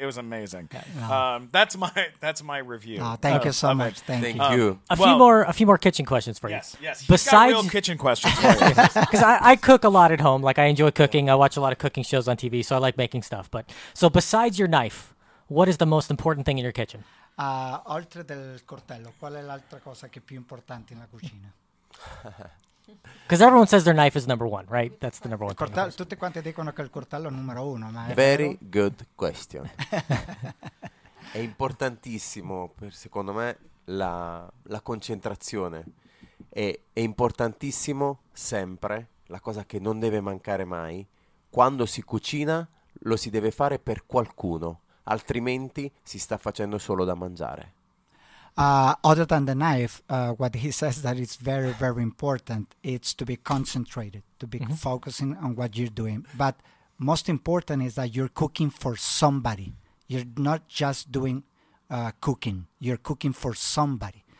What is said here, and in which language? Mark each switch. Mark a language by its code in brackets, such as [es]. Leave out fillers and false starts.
[en] It was amazing. That's my review. Oh, thank you so much. Thank you. A few more kitchen questions for you. Yes. Besides got real kitchen questions, because I cook a lot at home. Like, I enjoy cooking. I watch a lot of cooking shows on TV, so I like making stuff. But so besides your knife, what is the most important thing in your kitchen? [it] Oltre del coltello, qual è l'altra cosa che è più importante nella cucina? [en] Because everyone says their knife is number one, right? That's the number one. [it] Tutte quante dicono che il coltello è numero uno, ma [en] very good question. [it] È importantissimo, secondo me, la concentrazione. È importantissimo sempre, la cosa che non deve mancare mai, quando si cucina lo si deve fare per qualcuno, altrimenti si sta facendo solo da mangiare. [en] Other than the knife, what he says that it's very, very important, it's to be concentrated, to be focusing on what you're doing. But most important is that you're cooking for somebody. You're not just doing cooking. You're cooking for somebody.